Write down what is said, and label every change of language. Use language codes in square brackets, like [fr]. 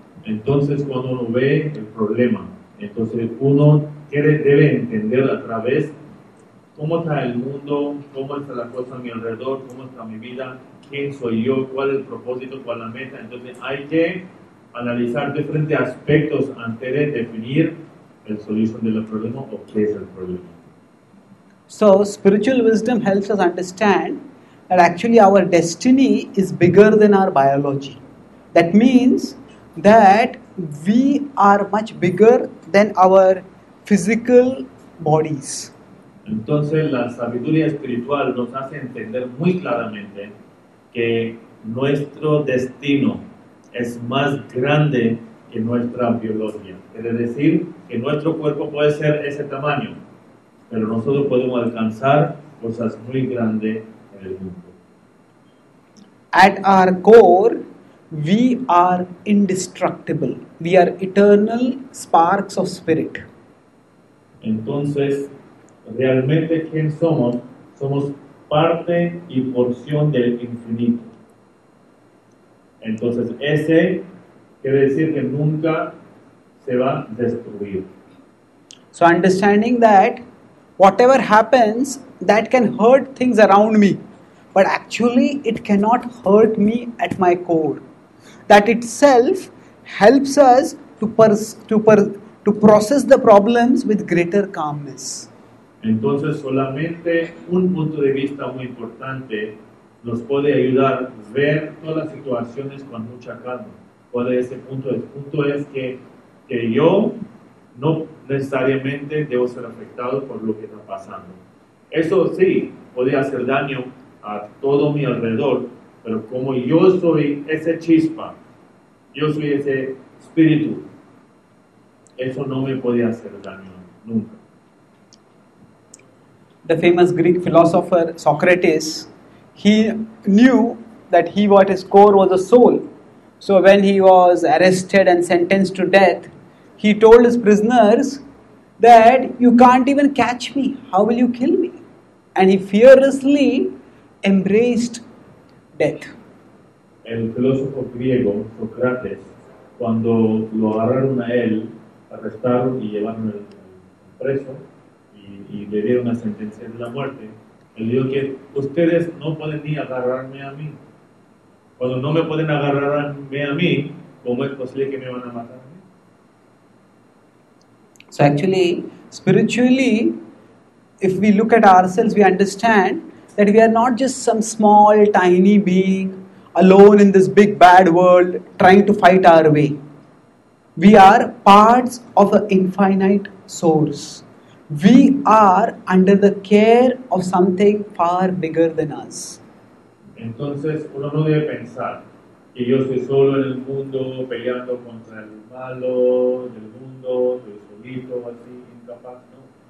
[es] Entonces, cuando uno ve el problema, entonces uno debe entender a través cómo está el mundo, cómo está la cosa a mi alrededor, cómo está mi vida, quién soy yo, cuál es el propósito, cuál es la meta. Entonces hay que analizar diferentes aspectos antes de definir el solución del problema o qué es el problema. [en] So, spiritual wisdom helps us understand that actually our destiny is bigger than our biology. That means that we are much bigger than our physical bodies. [es] Entonces, la sabiduría espiritual nos hace entender muy claramente que nuestro destino es más grande que nuestra biología. Es decir, que nuestro cuerpo puede ser ese tamaño, pero nosotros podemos alcanzar cosas muy grandes en el mundo. [en] At our core, we are indestructible. We are eternal sparks of spirit. [es] Entonces, realmente, ¿quién somos? Somos parte y porción del infinito. Entonces, ese quiere decir que nunca se va a destruir. [en] So, understanding that whatever happens, that can hurt things around me. But actually, it cannot hurt me at my core. That itself helps us to process the problems with greater calmness. [es] Entonces, solamente un punto de vista muy importante nos puede ayudar a ver todas las situaciones con mucha calma. ¿Cuál es ese punto? El punto es que yo no necesariamente debo ser afectado por lo que está pasando. Eso sí, podría hacer daño a todo mi alrededor, pero como yo soy esa chispa, yo soy ese espíritu, eso no me podía hacer daño nunca. [en] The famous Greek philosopher Socrates, he knew that he what his core was a soul. So when he was arrested and sentenced to death, he told his prisoners that you can't even catch me. How will you kill me? And he fearlessly embraced death. [es] El filósofo griego Sócrates, cuando lo agarraron a él, arrestaron y llevaron al preso y le dieron la sentencia de la muerte, él dijo que ustedes no pueden ni agarrarme a mí. Cuando no me pueden agarrarme a mí, ¿cómo es posible que me van a matar? [en] So actually, spiritually, if we look at ourselves, we understand that we are not just some small, tiny being alone in this big, bad world trying to fight our way. We are parts of an infinite source. We are under the care of something far bigger than us. [es] Entonces, uno no debe pensar que yo estoy solo en el mundo, peleando contra el malo del mundo, así, incapaz, ¿no?